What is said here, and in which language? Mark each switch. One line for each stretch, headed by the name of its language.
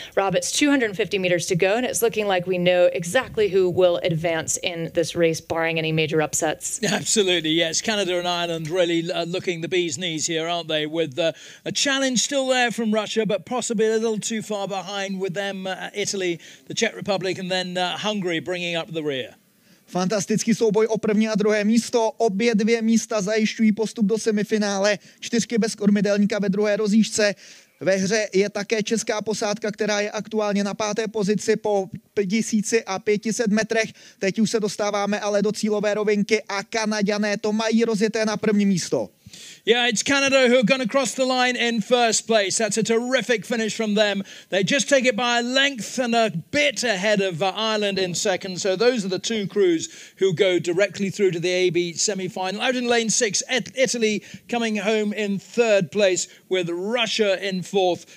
English: Rob, it's 250 meters to go, and it's looking like we know exactly who will advance in this race, barring any major upsets. Absolutely, yes. Canada and Ireland really looking the bee's knees here, aren't they? With a challenge still there from Russia, but possibly a little too far behind with them, Italy, the Czech Republic, and then Hungary bringing up the rear.
Czech: Fantastický souboj o první a druhé místo. Obě dvě místa zajišťují postup do semifinále. Čtyřky bez kormidelníka ve druhé rozjížďce. Ve hře je také česká posádka, která je aktuálně na páté pozici po 1500 metrech. Teď už se dostáváme ale do cílové rovinky a Kanaďané to mají rozjeté na první místo.
English: Yeah, it's Canada who are going to cross the line in first place. That's a terrific finish from them. They just take it by a length and a bit ahead of Ireland in second. So those are the two crews who go directly through to the AB semi-final. Out in lane six, Italy coming home in third place with Russia in fourth.